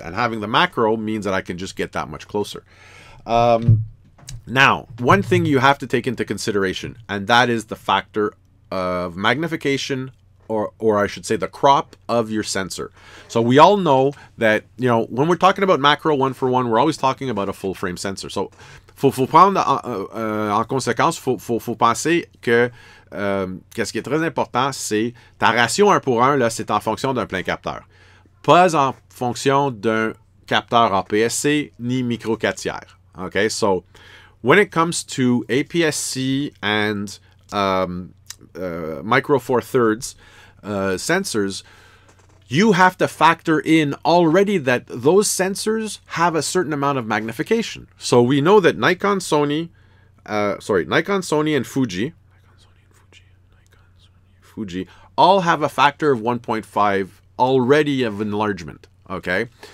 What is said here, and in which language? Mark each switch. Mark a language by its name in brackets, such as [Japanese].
[English] And having the macro means that I can just get that much closer. Now, one thing you have to take into consideration, and that is the factor of magnification or I should say the crop of your sensor. So we all know that, you know, when we're talking about macro one for one, we're always talking about a full frame sensor. [French] So faut prendre en conséquence, faut penser que qu'est-ce qui est très important, c'est ta ratio 1 pour 1, là, c'est en fonction d'un plein capteur. Pas en fonction d'un capteur APS-C ni micro 4 tiers. [English] Okay, so when it comes to APS-C and micro 4 thirds sensors, you have to factor in already that those sensors have a certain amount of magnification. So we know that Nikon, Sony, and Fuji all have a factor of 1.5 already of enlargement, okay?